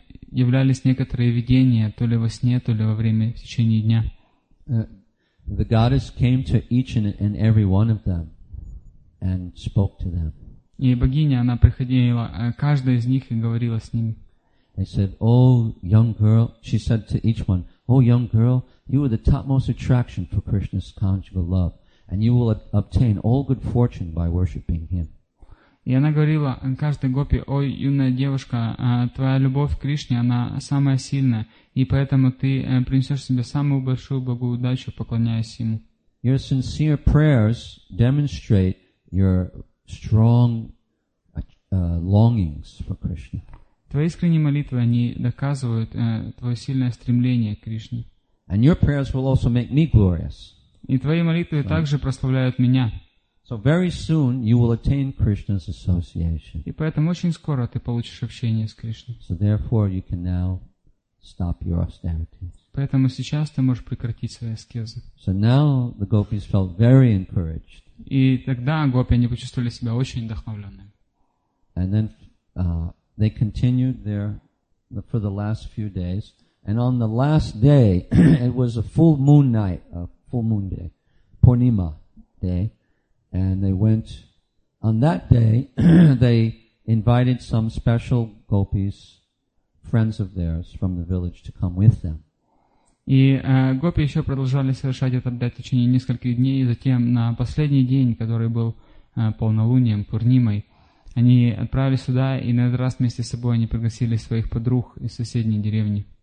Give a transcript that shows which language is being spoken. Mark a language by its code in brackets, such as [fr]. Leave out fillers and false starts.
[ru] Являлись некоторые видения, то ли во сне, то ли во время, в течение дня. [en] The goddess came to each and every one of them and spoke to them. [ru] И богиня, она приходила к каждой из них и говорила с ними. [en] They said, "Oh, young girl," she said to each one, "Oh, young girl, you are the topmost attraction for Krishna's conjugal love, and you will obtain all good fortune by worshiping him." [ru] И она говорила каждой гопи: «Ой, юная девушка, твоя любовь к Кришне, она самая сильная, и поэтому ты принесешь себе самую большую благую удачу, поклоняясь ему». [en] Your sincere prayers demonstrate your strong longings for Krishna. [ru] Твои искренние молитвы, они доказывают твое сильное стремление к Кришне. [en] And your prayers will also make me glorious. [ru] И твои молитвы также прославляют меня. [en] So very soon you will attain Krishna's association. [ru] И поэтому очень скоро ты получишь общение с Кришной. [en] So therefore you can now stop your austerities. [ru] Поэтому сейчас ты можешь прекратить свои аскезы. [en] So now the gopis felt very encouraged. [ru] И тогда гопи они почувствовали себя очень вдохновленными. [en] And then they continued there for the last few days. And on the last day, it was a full moon night, a full moon day, Purnima day. And they went on that day. They invited some special gopis, friends of theirs from the village, to come with them. [ru] И гопи еще продолжали совершать этот обряд в течение нескольких дней, и затем на последний день, который был полнолунием, Пурнимой, они отправились сюда, и на этот раз вместе с собой они пригласили своих подруг из соседней деревни.